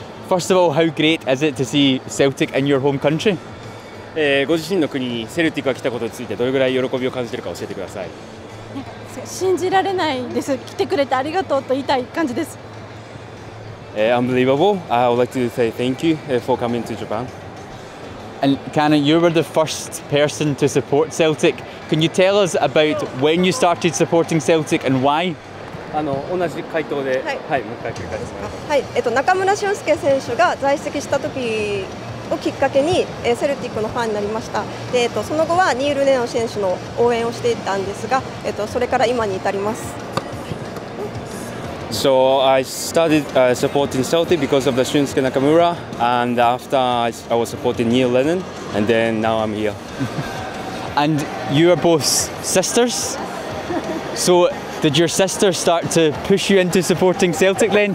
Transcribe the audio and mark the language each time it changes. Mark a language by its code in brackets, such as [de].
[en] First of all, how great is it to see Celtic in your home country? [ja] ご自身の国にセルティックが来たことについてどれぐらい喜びを感じているか教えてください。信じられないです。来てくれてありがとうと言いたい感じです。 [en] Unbelievable. I would like to say thank you for coming to Japan. And Kana, you were the first person to support Celtic. Can you tell us about when you started supporting Celtic and why? [ja] 同じ回答で、はい、もう一回繰り返します。はい、中村俊輔選手が在籍した時をきっかけに、セルティックのファンになりました。で、その後はニール・レオン選手の応援をしていたんですが、それから今に至ります。 [en] So I started supporting Celtic because of the Shunsuke Nakamura, and after I was supporting Neil Lennon, and then now I'm here. And you are both sisters. So did your sister start to push you into supporting Celtic then?